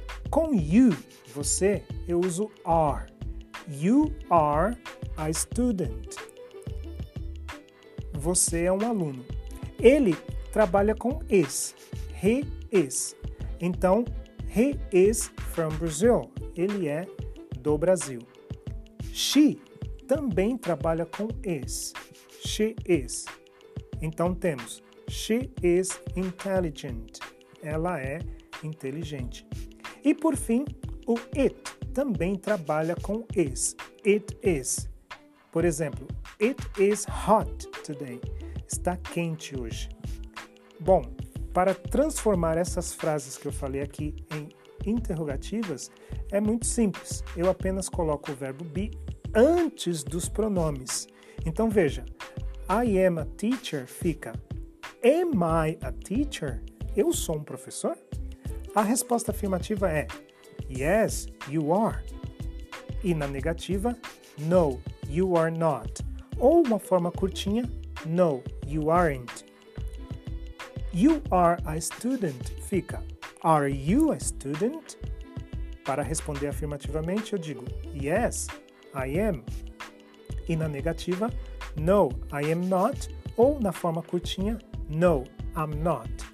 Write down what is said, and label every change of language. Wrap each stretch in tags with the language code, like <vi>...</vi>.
<pt>Com you, você, eu uso are,</pt> <en>you are a student,</en> <pt>você é um aluno. Ele trabalha com he is, então</pt> <en>he is from Brazil,</en> <pt>ele é do Brasil. She também trabalha com is.</pt> <en>She is.</en> <pt>Então temos,</pt> <en>she is intelligent.</en> <pt>Ela é inteligente. E por fim, o it também trabalha com is.</pt> <en>It is.</en> <pt>Por exemplo,</pt> <en>it is hot today.</en> <pt>Está quente hoje. Bom, para transformar essas frases que eu falei aqui em interrogativas, é muito simples. Eu apenas coloco o verbo be antes dos pronomes. Então veja,</pt> <en>I am a teacher fica, am I a teacher?</en> <pt>Eu sou um professor? A resposta afirmativa é,</pt> <en>yes, you are.</en> <pt>E na negativa,</pt> <en>no, you are not.</en> <pt>Ou uma forma curtinha,</pt> <en>no, you aren't. You are a student fica, are you a student?</en> <pt>Para responder afirmativamente, eu digo,</pt> <en>yes, I am.</en> <pt>E na negativa,</pt> <en>no, I am not.</en> <pt>Ou na forma curtinha,</pt> <en>no, I'm not.</en>